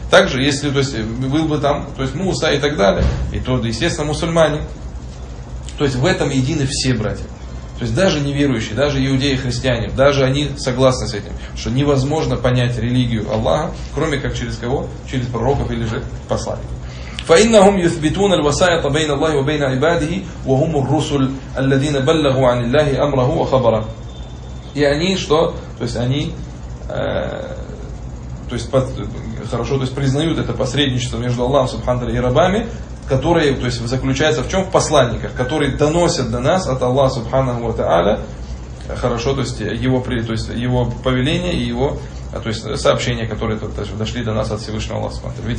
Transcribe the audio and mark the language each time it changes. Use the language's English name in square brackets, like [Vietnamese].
[Russian] Также, если то есть, был бы там, то есть Муса и так далее. И то, естественно, мусульмане. То есть в этом едины все братья. То есть даже неверующие, даже иудеи и христиане, даже они согласны с этим, что невозможно понять религию Аллаха, кроме как через кого? Через пророков или же посланников. [Arabic] فإنهم يثبتون الوسائط بين الله وبين عباده وهم الرسل الذين بلغوا عن الله أمره وخبره. [Russian] И они что? То есть они то есть, хорошо, то есть признают это посредничество между Аллахом Субхану Тааля и рабами, которые то есть, заключается в чем? В посланниках, которые доносят до нас от Аллаха Субхану Тааля хорошо, то есть, его повеление и его то есть, сообщения, которые то есть, дошли до нас от Всевышнего Аллаха Субхану Тааля.